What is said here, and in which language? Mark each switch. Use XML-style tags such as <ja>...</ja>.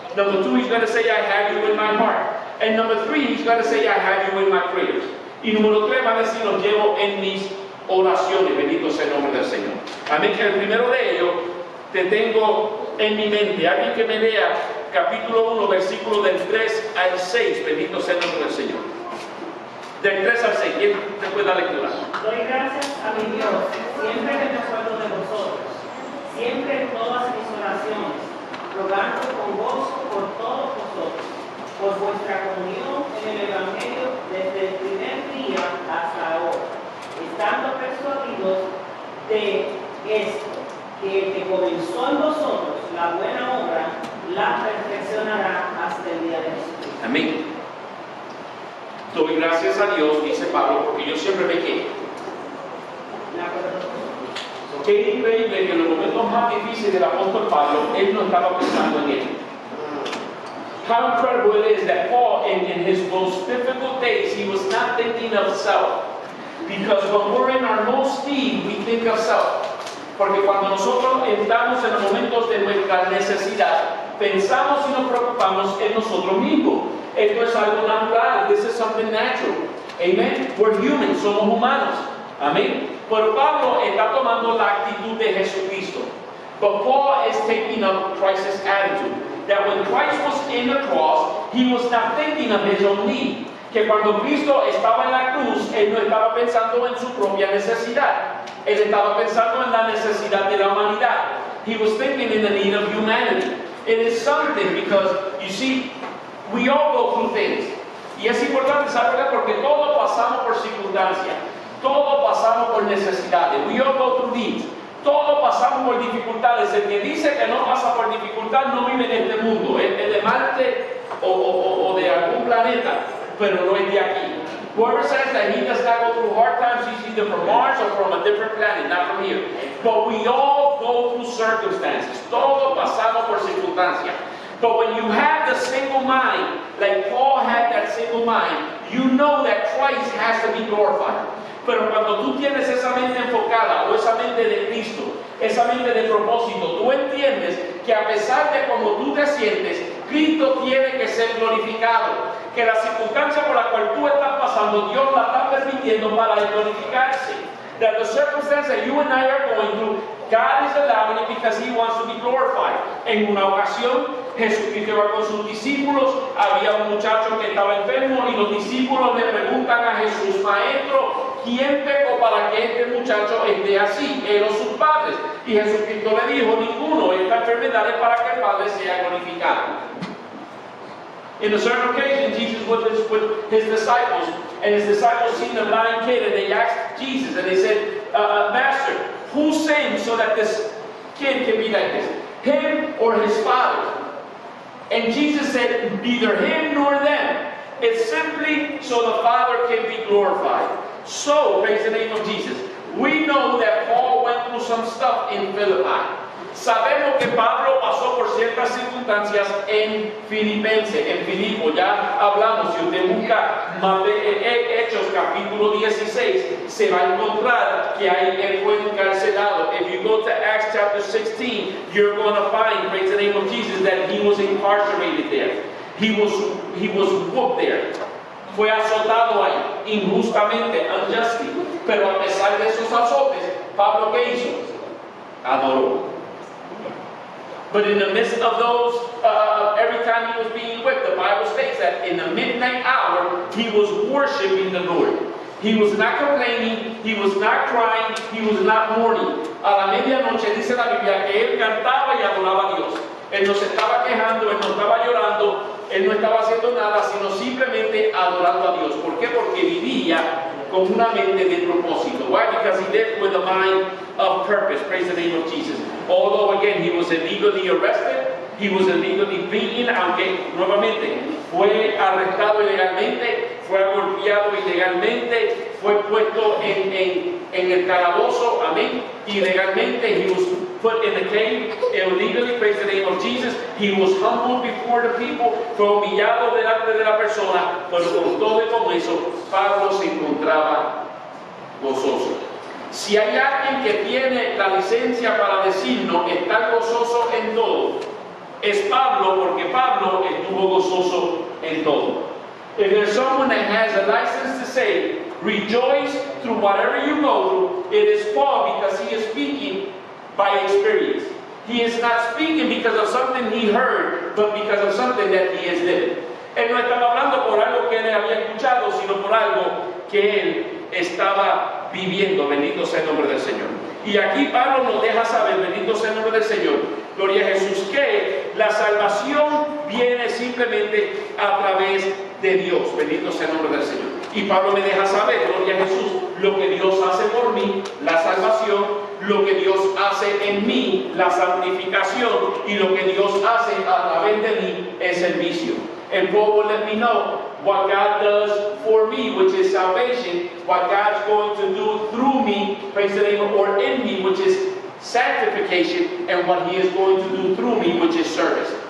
<en>Number two, he's going to say, I have you in my heart. And number three, he's going to say, I have you in my prayers.</en> <es>Y número tres, va a decir, lo llevo en mis oraciones. Bendito sea el nombre del Señor. Amén. Que el primero de ellos, te tengo en mi mente. Alguien que me lea capítulo 1, versículo del 3 al 6. Bendito sea el nombre del Señor. De 3 al 6, ¿quién te puede dar lectura? Doy gracias a mi Dios, siempre que me acuerdo de vosotros, siempre en todas mis oraciones, rogando con vos por todos vosotros, por vuestra comunión en el Evangelio desde el primer día hasta ahora, estando persuadidos de esto, que el que comenzó en vosotros la buena obra, la perfeccionará hasta el día de Jesús. Amén. Doy gracias a Dios, dice Pablo, porque yo siempre me quedo. Qué increíble que en los momentos más difíciles del apóstol Pablo, él no estaba pensando en él.</es> <en>How incredible it is that Paul, in his most difficult days, he was not thinking of self. Because when we're in our most need, we think of self.</en> <es>Porque cuando nosotros estamos en los momentos de nuestra necesidad, pensamos y nos preocupamos en nosotros mismos. Esto es algo natural.</es> <en>This is something natural. Amen. We're human.</en> <es>Somos humanos.</es> <en>Amen.</en> <es>Pero Pablo está tomando la actitud de Jesucristo.</es> <en>But Paul is taking up Christ's attitude. That when Christ was in the cross, he was not thinking of his own need.</en> <es>Que cuando Cristo estaba en la cruz, él no estaba pensando en su propia necesidad. Él estaba pensando en la necesidad de la humanidad.</es> <en>He was thinking in the need of humanity. It is something because, you see, we all go through things.</en> <es>Y es importante saberlo porque todos pasamos por circunstancias. Todos pasamos por necesidades.</es> <en>We all go through needs.</en> <es>Todos pasamos por dificultades. El que dice que no pasa por dificultad no vive en este mundo. Es de Marte o de algún planeta, pero no es de aquí.</es> <en>Whoever says that he does not go through hard times, he's either from Mars or from a different planet, not from here. But we all go through circumstances.</en> <es>Todos pasamos por circunstancias.</es> <en>But when you have the single mind, like Paul had that single mind, you know that Christ has to be glorified.</en> <es>Pero cuando tú tienes esa mente enfocada, o esa mente de Cristo, esa mente de propósito, tú entiendes que a pesar de cómo tú te sientes, Cristo tiene que ser glorificado. Que la circunstancia por la cual tú estás pasando, Dios la está permitiendo para glorificarse. That the circumstances that you and I are going through, God is allowing it because he wants to be glorified. En una ocasión, Jesucristo va con sus discípulos, había un muchacho que estaba enfermo, y los discípulos le preguntan a Jesús, Maestro, ¿quién pecó para que este muchacho esté así? Él o sus padres. Y Jesucristo le dijo, ninguno. Esta enfermedad es para que el Padre sea glorificado.</es> <en>In a certain occasion, Jesus was with his disciples, and his disciples seen the blind kid, and they asked Jesus, and they said, Master, who sinned so that this kid can be like this? Him or his father? And Jesus said, neither him nor them. It's simply so the Father can be glorified. So, praise the name of Jesus. We know that Paul went through some stuff in Philippi.</en> <es>Sabemos que Pablo pasó por ciertas circunstancias en Filipense, en Filipo. Ya hablamos, si usted busca más de Hechos capítulo 16, se va a encontrar que ahí él fue encarcelado.</es> <en>If you go to Acts chapter 16, you're going to find, praise the name of Jesus, that he was incarcerated there. He was whooped there.</en> <es>Fue azotado ahí, injustamente,</es> <en>unjustly.</en> <es>Pero a pesar de esos azotes, Pablo, ¿qué hizo? Adoró.</es> <en>But in the midst of those, every time he was being whipped, the Bible states that in the midnight hour, he was worshiping the Lord. He was not complaining, he was not crying, he was not mourning.</en> <es>A la medianoche dice la Biblia que él cantaba y adoraba a Dios. Él no se estaba quejando, él no estaba llorando, él no estaba haciendo nada, sino simplemente adorando a Dios. ¿Por qué? Porque vivía con una mente de propósito.</es> <en>Why? Because he lived with a mind of purpose. Praise the name of Jesus. Although, again, he was illegally arrested, he was illegally beaten,</en> <es>aunque, nuevamente, fue arrestado ilegalmente, fue golpeado ilegalmente, fue puesto en el calabozo, amén, ilegalmente,</es> <en>he was put in the cave, illegally, praise the name of Jesus, he was humbled before the people,</en> <es>fue humillado delante de la persona, pero con todo y con eso, Pablo se encontraba gozoso. Si hay alguien que tiene la licencia para decirnos que está gozoso en todo, es Pablo, porque Pablo estuvo gozoso en todo.</es> <en>If there's someone that has a license to say, rejoice through whatever you go through, it is Paul, because he is speaking by experience. He is not speaking because of something he heard, but because of something that he has lived.</en> <es>Él no estaba hablando por algo que él había escuchado, sino por algo que él estaba viviendo, bendito sea el nombre del Señor. Y aquí Pablo nos deja saber, bendito sea el nombre del Señor, gloria a Jesús, que la salvación viene simplemente a través de Dios, bendito sea el nombre del Señor. Y Pablo me deja saber, gloria a Jesús, lo que Dios hace por mí, la salvación, lo que Dios hace en mí, la santificación, y lo que Dios hace a través de mí, el servicio.</es> <en>And Paul will let me know what God does for me, which is salvation, what God's going to do through me, praise the name, or in me, which is sanctification, and what he is going to do through me, which is service.</en>